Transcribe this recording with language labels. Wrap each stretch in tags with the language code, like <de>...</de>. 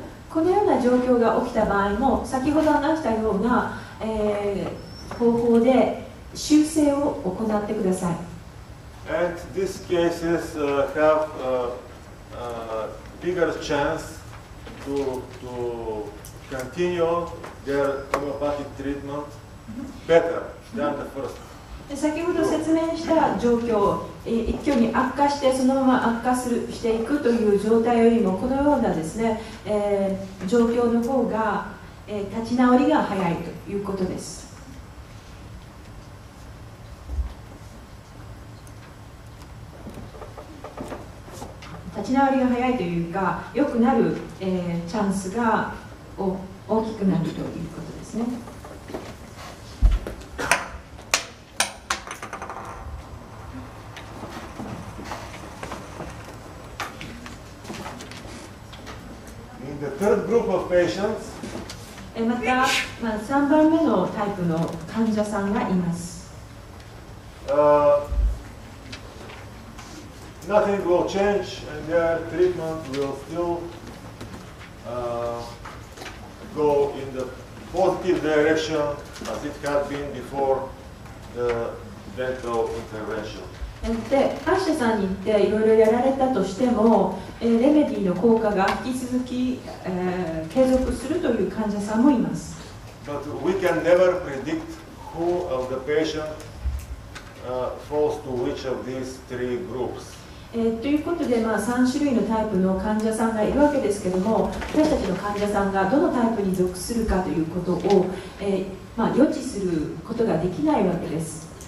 <ja>このような状況が起きた場合も先ほど話したような、方法で修正を行ってください。</ja> <en>And these cases have a bigger chance to continue their homeopathic treatment better than the first.</en> <ja>先ほど説明した状況、一挙に悪化してそのまま悪化するしていくという状態よりもこのようなですね、状況の方が、立ち直りが早いということです。立ち直りが早いというか良くなる、チャンスが大きくなるということですね。</ja> <en>Third group of patients.</en> <ja>また、まあ、3番目のタイプの患者さんがいます。</ja> <en>Nothing will change and their treatment will still go in the positive direction as it had been before the dental intervention.</en> <ja>で歯医者さんに行っていろいろやられたとしても、レメディの効果が引き続き、継続するという患者さんもいます。</ja> <en>But we can never predict who of the patient falls to which of these three groups.</en> <ja>ということで、まあ、3種類のタイプの患者さんがいるわけですけれども私たちの患者さんがどのタイプに属するかということを、まあ、予知することができないわけです。</ja>